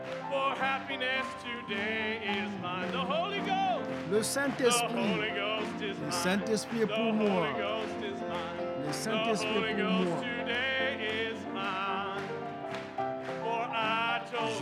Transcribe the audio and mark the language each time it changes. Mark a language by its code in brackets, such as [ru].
[en] For happiness today is mine. The Holy Ghost. [fr] Le Saint-Esprit. [en] The Holy Ghost is mine. [fr] Le Saint-Esprit est pour moi. [en] The Holy Ghost is mine. [fr] Le Saint-Esprit est pour moi. [en] The Holy Ghost today is mine. For I told